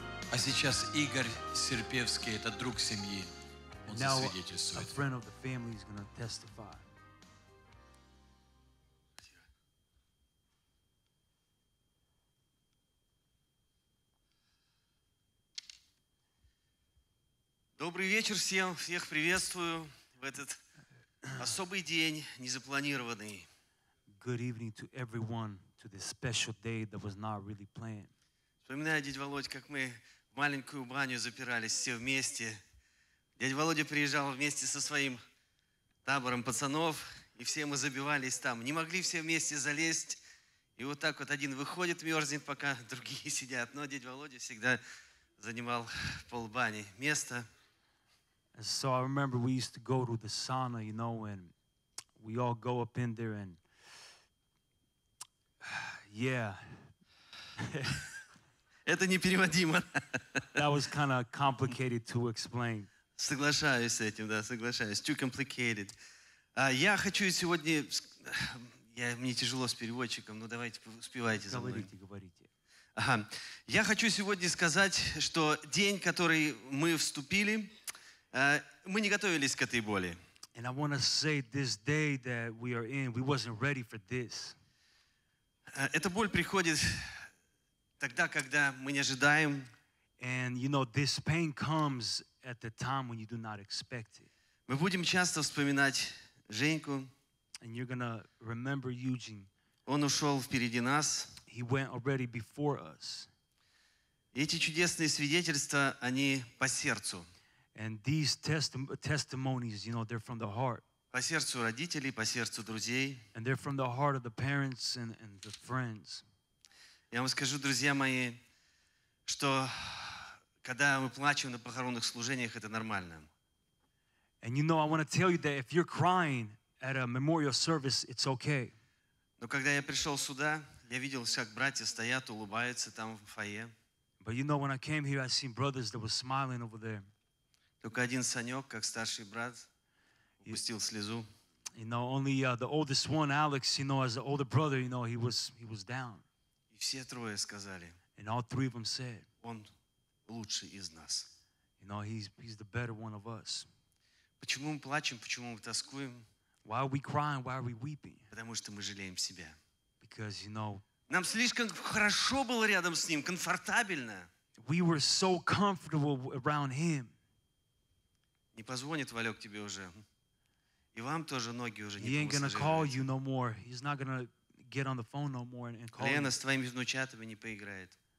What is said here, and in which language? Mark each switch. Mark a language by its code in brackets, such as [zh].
[ru] А сейчас Игорь Серпевский, это друг семьи, он засвидетельствует. [en] A friend of the family is going to testify. [ru] Добрый вечер всем, всех приветствую в этот особый день, незапланированный. [en] Good evening to everyone, to this special day that was not really planned. [ru] Вспоминаю, дядя Володь, как мы в маленькую баню запирались все вместе. Дядя Володя приезжал вместе со своим табором пацанов, и все мы забивались там. Не могли все вместе залезть. И вот так вот один выходит, мерзнет, пока другие сидят. Но дядя Володя всегда занимал полбани место. [en] So I remember we used to go to the sauna, you know, and we all go up in there and... Yeah... [ru] Это непереводимо. [en] That was kind of complicated to explain. [ru] Соглашаюсь с этим, да, соглашаюсь. [en] Too complicated. [ru] Я хочу сегодня... Мне тяжело с переводчиком, но давайте, успевайте за мной. Говорите, говорите. Ага. Я хочу сегодня сказать, что день, который мы вступили, мы не готовились к этой боли. [en] And I want to say this day that we are in, we wasn't ready for this. [ru] Эта боль приходит... Тогда, когда мы не ожидаем. [en] And, you know, this pain comes at the time when you do not expect it. [ru] Мы будем часто вспоминать Женьку. [en] And you're gonna remember Eugene. [ru] Он ушел впереди нас. [en] He went already before us. [ru] Эти чудесные свидетельства, они по сердцу. [en] And these testimonies, you know, they're from the heart. [ru] По сердцу родителей, по сердцу друзей. [en] And they're from the heart of the parents and the friends. [ru] Я вам скажу, друзья мои, что когда мы плачем на похоронных служениях, это нормально. [en] And you know, I want to tell you that if you're crying at a memorial service, it's okay. [ru] Но когда я пришел сюда, я видел, как братья стоят, улыбаются там в фойе. [en] But you know, when I came here, I seen brothers that were smiling over there. [ru] Только один Санек, как старший брат, упустил слезу. [en] You know, only the oldest one, Alex, you know, as the older brother, you know, he was down. [ru] Все трое сказали. [en] And all three of them said, [ru] он лучший из нас. [en] You know, he's the better one of us. [ru] Почему мы плачем? Почему мы тоскуем? [en] Why are we crying? Why are we weeping? [ru] Потому что мы жалеем себя. [en] Because, you know, [ru] нам слишком хорошо было рядом с ним, комфортабельно. [en] We were so comfortable around him. [ru] Не позвонит Валек тебе уже. И вам тоже ноги уже не будут. [en] He ain't gonna call you no more. He's not gonna get on the phone no more and call. [ru] Лена с твоими внучатами не поиграет.